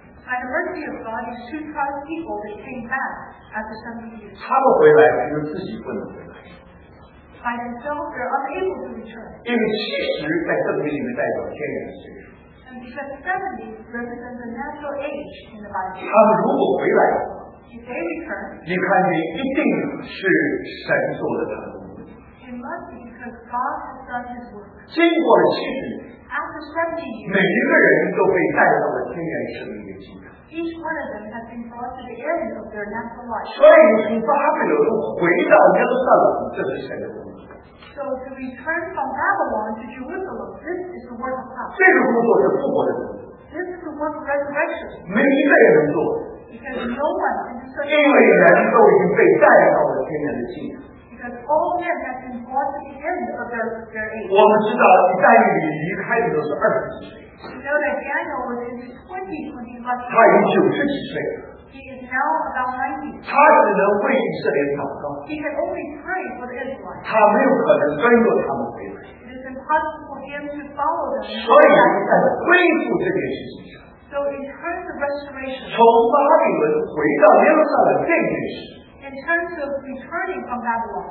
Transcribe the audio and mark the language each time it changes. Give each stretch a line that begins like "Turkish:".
English: By the mercy of God, these two tribes of people that came back after 70 years.
Chinese: 他们回来，就自己不能回来。
English: By themselves, they're unable to return.
Chinese: 因为七十在圣经里面代表天然岁数。
English: And because 70 represents the natural age in the Bible.
Chinese: 他们如果回来，
English: if they return,
Chinese: 你看你一定是神做的他的工。
English: It must be because God has done His work.
Chinese: 经过了七十。
English: After 70 years,
Chinese: 每一个人都被带到了天然生命的境界。
English: Each one of them has been brought to the end of their natural life.
Chinese: 所以从巴比伦回到耶路撒冷，这是神的工作。
English: So to return from Babylon to Jerusalem, this is the work of God.
Chinese: 这个工作是复活的工作。
English: This is the work of resurrection.
Chinese: 每一个人做的。
English: Because no one can do so.
Chinese: 因为人都已经被带到了天然的境界。
English: That all men have been brought to the end of their age.
Chinese: 我们知道但以理离开的都是二十几岁。
English: You know that Daniel was in his 20s when he left.
Chinese: 他已经 90岁了。
English: He is now about 90.
Chinese: 他只能为以色列祷告。
English: He can only pray for Israel.
Chinese: 他没有可能跟着他们回来。
English: It is impossible for him to follow them.
Chinese: 所以在恢复这件事情上。
English: So in terms of restoration.
Chinese: 从巴比伦回到耶路撒冷这件事。
English: In in terms of returning from Babylon.